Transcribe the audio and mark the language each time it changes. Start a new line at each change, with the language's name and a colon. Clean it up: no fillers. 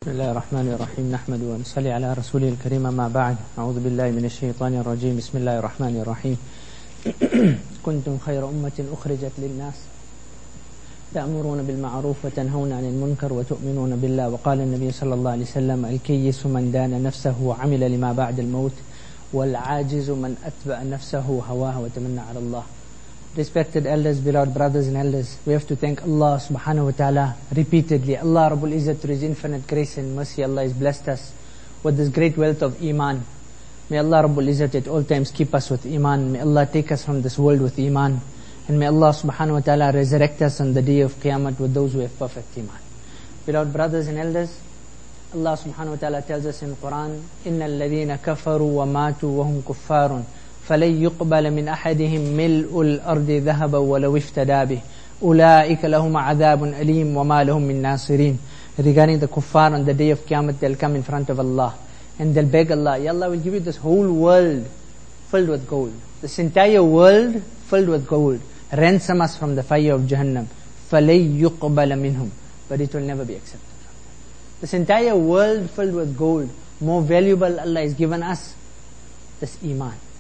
Arabic: بسم الله الرحمن الرحيم نحمد ونصلي على رسول الكريم ما بعد أعوذ بالله من الشيطان الرجيم بسم الله الرحمن الرحيم كنتم خير أمة أخرجت للناس تأمرون بالمعروف وتنهون عن المنكر وتؤمنون بالله وقال النبي صلى الله عليه وسلم الكيس من دان نفسه وعمل لما بعد الموت والعاجز من أتبع نفسه هواه وتمنى على الله.
English: Respected elders, beloved brothers and elders, we have to thank Allah subhanahu wa ta'ala repeatedly. Allah Rabbul Izzat, through His infinite grace and mercy, Allah has blessed us with this great wealth of Iman. May Allah Rabbul Izzat at all times keep us with Iman. May Allah take us from this world with Iman. And may Allah subhanahu wa ta'ala resurrect us on the day of Qiyamah with those who have perfect Iman. Beloved brothers and elders, Allah subhanahu wa ta'ala tells us in the Quran,
Arabic: إِنَّ الَّذِينَ كَفَرُوا وَمَاتُوا وَهُمْ كُفَّارٌ فَلَيْ يُقْبَلَ مِنْ أَحَدِهِمْ مِلْءُ الْأَرْضِ ذَهَبًا وَلَوْ افْتَدَى بِهِ أُولَٰئِكَ لَهُمْ عَذَابٌ أَلِيمٌ وَمَا لَهُمْ مِنْ نَاصِرِينَ.
English: Regarding the kuffar on the day of Qiyamah, they'll come in front of Allah and they'll beg Allah, Ya Allah, we'll give you this whole world filled with gold. This entire world filled with gold. Ransom us from the fire of Jahannam.
Arabic: فَلَيْ يُقْبَلَ مِنْهُمْ.
English: But it will never be accepted. This entire world filled with gold, more valuable Allah has given us, this Iman.